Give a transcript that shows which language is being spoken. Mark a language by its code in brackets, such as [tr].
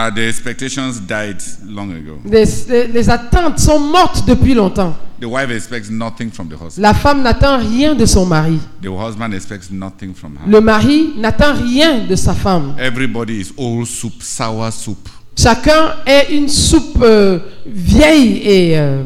[en] the expectations died long ago. [fr] Les attentes sont mortes depuis longtemps. [en] The wife expects nothing from the husband. [fr] La femme n'attend rien de son mari. [en] The husband expects nothing from her. [fr] Le mari n'attend rien de sa femme. [en] Everybody is old soup, sour soup. [fr] Chacun est une soupe vieille et